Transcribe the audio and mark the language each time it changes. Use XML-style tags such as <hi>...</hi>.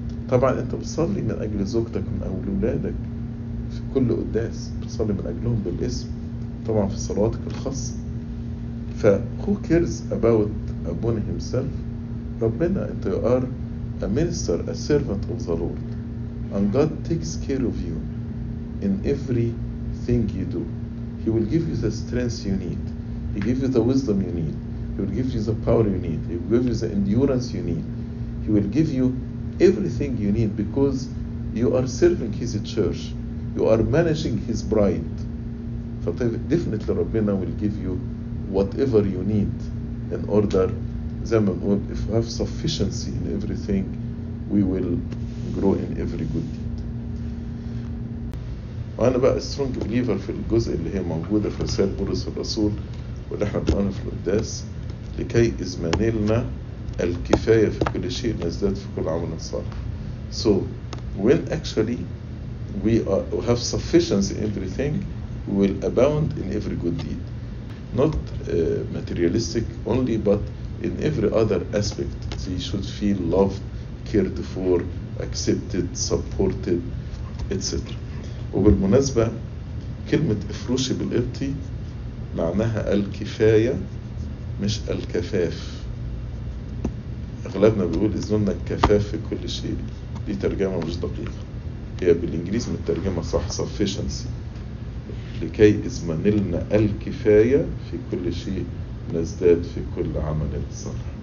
<ar>طبعا انت بتصلي من اجل زوجتك من اول اولادك في كل قداس, بتصلي من اجلهم بالاسم طبعا في صلواتك الخاصة.</ar> <en>ف who cares about ابونا himself.</en> <ar>ربنا انت</ar> <en>you are a minister, a servant of the Lord, and God takes care of you in everything you do. He will give you the strength you need, He gives you the wisdom you need, He will give you the power you need, He will give you the endurance you need, He will give you everything you need, because you are serving His church, you are managing His bride. But definitely Rabbina will give you whatever you need in order, if we have sufficiency in everything, we will grow in every good deed.</en> <ar>وأنا بقى</ar> <en>strong believer</en> <ar>في الجزء اللي هي موجودة في رسالة بولس الرسول واللي احنا بقى في القداس, لكي إزمانيلنا الكفاية في كل شيء نزداد في كل عمل صالح.</ar> <en>So when actually we have sufficiency in everything, we will abound in every good deed. Not materialistic only, but in every other aspect. So you should feel loved, cared for, accepted, supported, etc.</en> <ar>وبالمناسبة كلمة إفروشي بالقبطي معناها الكفاية مش الكفاف. اغلبنا بيقول اظن الكفاف في كل شيء, دي ترجمه مش دقيقه. هي بالانجليزي مترجمه صح sufficiency, لكي ازمنلنا الكفايه في كل شيء نزداد في كل عمل صالح.</ar>